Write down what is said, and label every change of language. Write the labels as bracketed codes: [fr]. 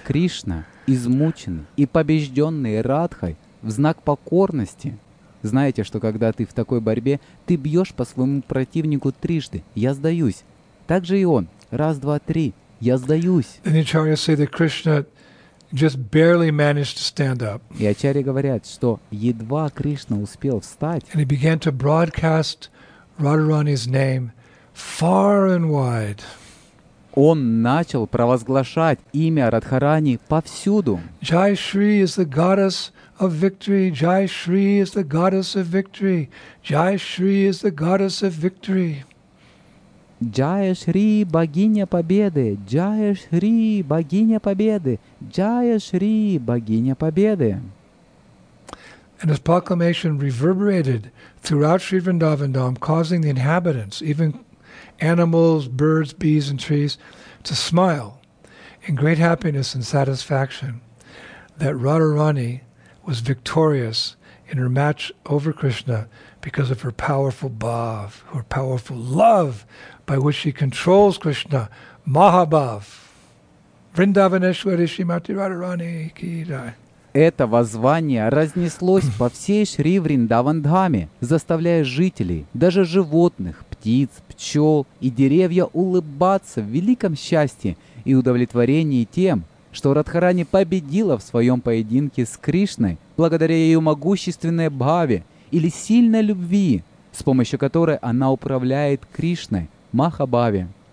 [ru] Кришна, измученный и побежденный Радхой, в знак покорности. Знаете, что когда ты в такой борьбе, ты бьешь по своему противнику трижды. Я сдаюсь. Так же и он. Раз, два, три. Я сдаюсь. [en] And the acharyas say that Krishna just barely managed to stand up. [ru] И ачарьи говорят, что едва Кришна успел встать. [en] And he began to broadcast Radharani's name far and wide. [ru] Он начал провозглашать имя Радхарани повсюду. [en] Jai Shri is the goddess of victory. Jai Shri is the goddess of victory. Jai Shri is the goddess of victory. [ru] Jai Shri, богиня победы. Jai Shri, богиня победы. Jai Shri, богиня победы. [en] And his proclamation reverberated throughout Sri Vrindavan Dham, causing the inhabitants, even animals, birds, bees, and trees, to smile in great happiness and satisfaction that Radharani was victorious in her match over Krishna because of her powerful bhav, her powerful love by which she controls Krishna, Mahabhav. [hi] Vrindavaneshwari Shrimati Radharani Ki Jai. [ru] Это воззвание разнеслось по всей Шри Вриндаван Дхаме, заставляя жителей, даже животных, птиц, пчел и деревья улыбаться в великом счастье и удовлетворении тем, что Радхарани победила в своем поединке с Кришной благодаря ее могущественной бхаве или сильной любви, с помощью которой она управляет Кришной, Махабхаве.